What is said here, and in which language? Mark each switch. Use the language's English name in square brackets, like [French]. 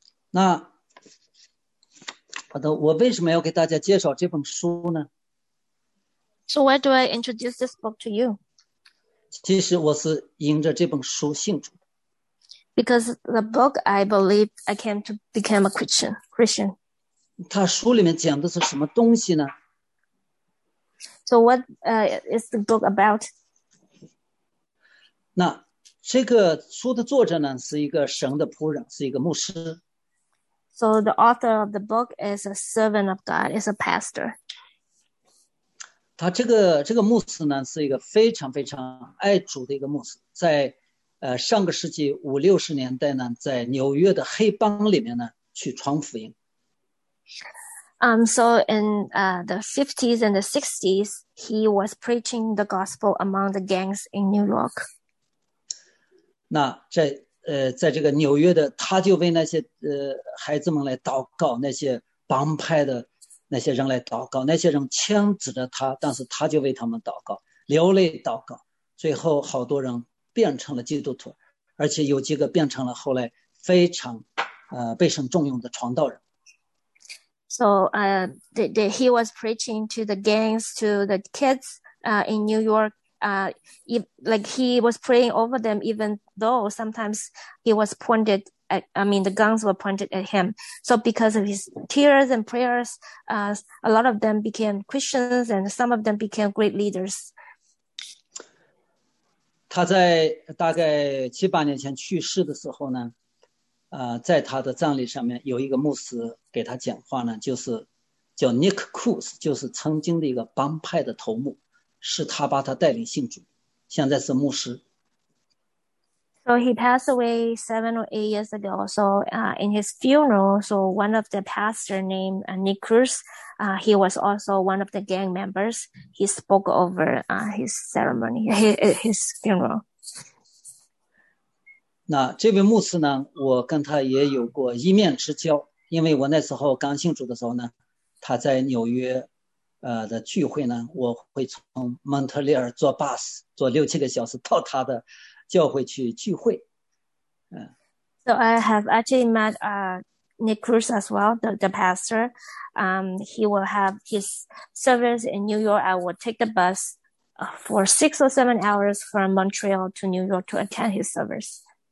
[Chinese] 那好的，我为什么要给大家介绍这本书呢？ [English] So why do I introduce this book to you? [Chinese] 其实我是因着这本书信主。 [English] Because the book, I believe I came to become a Christian. [Chinese] 它书里面讲的是什么东西呢？ [English] So what is the book about? [Chinese] 那这个书的作者呢，是一个神的仆人，是一个牧师。 [English] So the author of the book is a servant of God, is a pastor. [Chinese] 他这个牧师呢，是一个非常非常爱主的一个牧师，在上个世纪五六十年代呢，在纽约的黑帮里面呢去传福音。 [English] So in the 50s and the 60s, he was preaching the gospel among the gangs in New York. [Chinese] 那这。在这个纽约的，他就为那些孩子们来祷告，那些帮派的那些人来祷告，那些人枪指着他，但是他就为他们祷告，流泪祷告，最后好多人变成了基督徒，而且有几个变成了后来非常被神重用的传道人。 [English] So, he was preaching to the gangs, to the kids, in New York. He was praying over them, even though sometimes he was pointed at, I mean, the guns were pointed at him. So because of his tears and prayers, a lot of them became Christians and some of them became great leaders. [Chinese] 他在大概七八年前去世的时候呢，在他的葬礼上面有一个牧师给他讲话呢，就是叫 Nick Cruz, 就是曾经的一个帮派的头目。是他把他带领信主，现在是牧师。 [English] So he passed away 7 or 8 years ago. So, in his funeral, so one of the pastor named Nick Cruz, he was also one of the gang members. He spoke over his ceremony, his funeral. [Chinese] 那这位牧师呢？我跟他也有过一面之交，因为我那时候刚信主的时候呢，他在纽约。的聚会呢，我会从蒙特利尔坐 bus 坐六七个小时到他的教会去聚会。 [English] So I have actually met Nick Cruz as well, the pastor. He will have his service in New York. I will take the bus for 6 or 7 hours from Montreal to New York to attend his service.